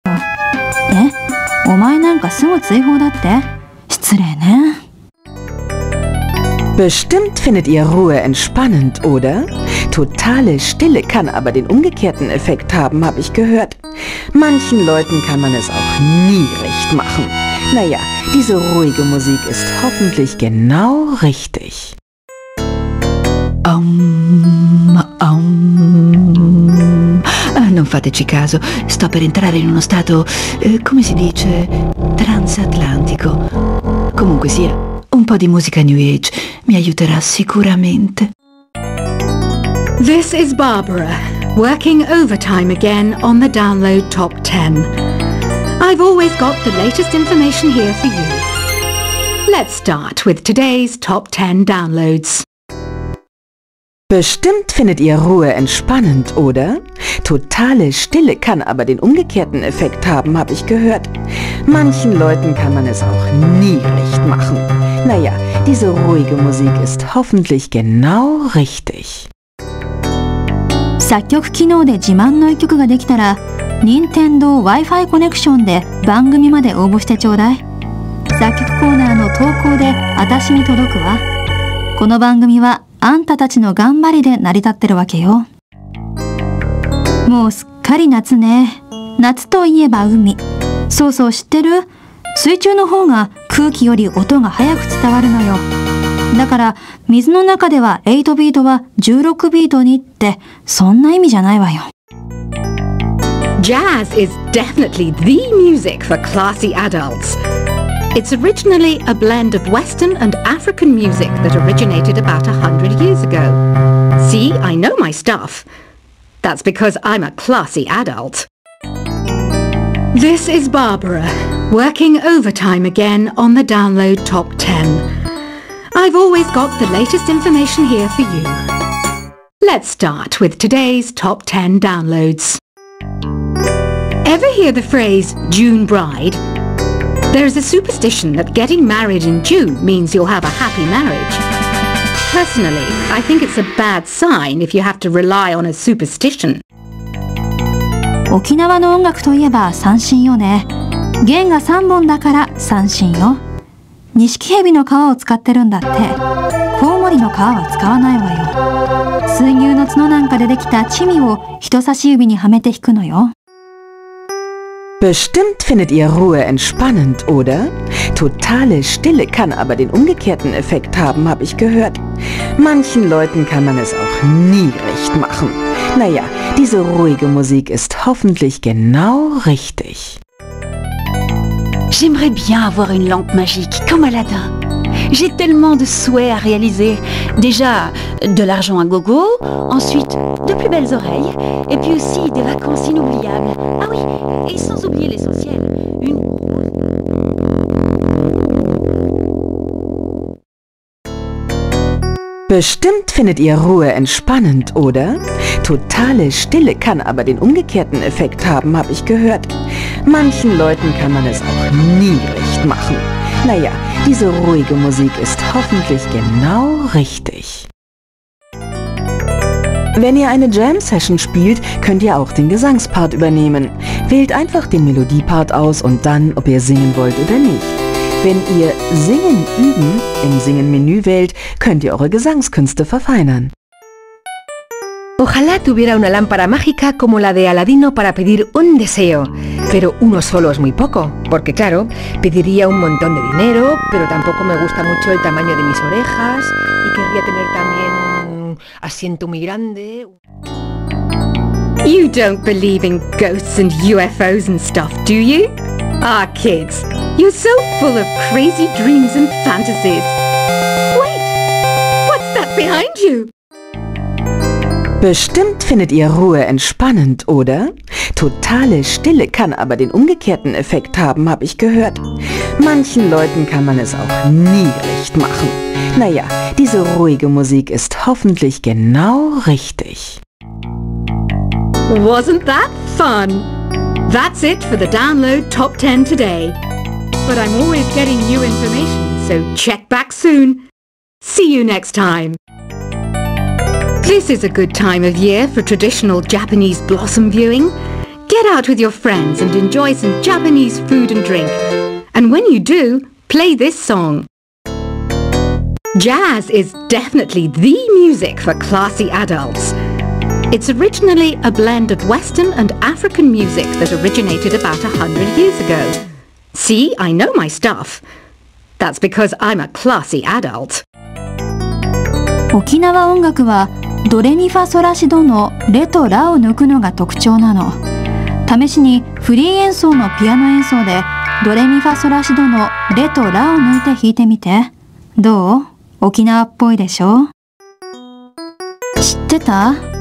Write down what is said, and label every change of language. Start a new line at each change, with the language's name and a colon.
Japanese: て、お前なんかすぐ追放だって、失礼ね。
German: Bestimmt findet ihr Ruhe entspannend, oder? Totale Stille kann aber den umgekehrten Effekt haben, habe ich gehört. Manchen Leuten kann man es auch nie recht machen. Naja, diese ruhige Musik ist hoffentlich genau richtig.
Italian: Non fateci caso, sto per entrare in uno stato, come si dice, transatlantico. Comunque sia, un po' di musica New Age mi aiuterà sicuramente.
English: This is Barbara, working overtime again on the Download Top 10. I've always got the latest information here for you. Let's start with today's Top 10 Downloads. Bestimmt findet ihr Ruhe entspannend, oder? Totale Stille kann aber den umgekehrten Effekt haben, habe ich gehört. Manchen Leuten kann man es auch nie recht machen. Naja, diese ruhige Musik ist hoffentlich genau richtig.
Japanese: 作曲機能で自慢の一曲ができたら、任天堂 Wi-Fi コネクションで番組まで応募してちょうだい。作曲コーナーの投稿で私に届くわ。この番組はあんたたちの頑張りで成り立ってるわけよ。もうすっかり夏ね。夏といえば海。そうそう、知ってる？水中の方が空気より音が早く伝わるのよ。だから水の中では8ビートは16ビートにって、そんな意味じゃないわよ。
English: Jazz is definitely the music for classy adults. It's originally a blend of Western and African music that originated about 100 years ago. See, I know my stuff. That's because I'm a classy adult. This is Barbara, working overtime again on the Download Top 10. I've always got the latest information here for you. Let's start with today's top 10 downloads. Ever hear the phrase June bride? There is a superstition that getting married in June means you'll have a happy marriage. Personally, I think it's a bad sign if you have to rely on a superstition.
Japanese: 沖縄の音楽といえば三線よね。弦が三本だから三線よ。錦蛇の皮を使ってるんだって。コウモリの皮は使わないわよ。水牛の角なんかでできたチミを人差し指にはめて弾くのよ。
German: Bestimmt findet ihr Ruhe entspannend, oder? Totale Stille kann aber den umgekehrten Effekt haben, habe ich gehört. Manchen Leuten kann man es auch nie recht machen. Naja, diese ruhige Musik ist hoffentlich genau richtig.
French: J'aimerais bien avoir une lampe magique, comme Aladdin. J'ai tellement de souhaits à réaliser. Déjà, de l'argent à gogo, ensuite, de plus belles oreilles, et puis aussi des vacances inoubliables. Ah oui, et sans oublier l'essentiel, une...
German: Bestimmt findet ihr Ruhe entspannend, oder? Totale Stille kann aber den umgekehrten Effekt haben, habe ich gehört. Manchen Leuten kann man es auch nie recht machen. Naja, diese ruhige Musik ist hoffentlich genau richtig. Wenn ihr eine Jam-Session spielt, könnt ihr auch den Gesangspart übernehmen. Wählt einfach den Melodiepart aus und dann, ob ihr singen wollt oder nicht. Wenn ihr Singen üben im Singen-Menü wählt, könnt ihr eure Gesangskünste verfeinern.
Spanish: Ojalá tuviera una lámpara mágica como la de Aladino para pedir un deseo. Pero uno solo es muy poco, porque claro, pediría un montón de dinero, pero tampoco me gusta mucho el tamaño de mis orejas y querría tener también un asiento muy grande.
English: You don't believe in ghosts and UFOs and stuff, do you? Ah, kids. You're so full of crazy dreams and fantasies. Wait, what's that behind you?
German: Bestimmt findet ihr Ruhe entspannend, oder? Totale Stille kann aber den umgekehrten Effekt haben, habe ich gehört. Manchen Leuten kann man es auch nie recht machen. Naja, diese ruhige Musik ist hoffentlich genau richtig.
English: Wasn't that fun? That's it for the Download Top 10 today. But I'm always getting new information, so check back soon. See you next time. This is a good time of year for traditional Japanese blossom viewing. Get out with your friends and enjoy some Japanese food and drink. And when you do, play this song. Jazz is definitely the music for classy adults. It's originally a blend of Western and African music that originated about 100 years ago. See, I know my stuff. That's because I'm a classy adult.
Japanese: 沖縄音楽はドレミファソラシドのレとラを抜くのが特徴なの。試しにフリー演奏のピアノ演奏でドレミファソラシドのレとラを抜いて弾いてみて。どう？沖縄っぽいでしょ？知ってた？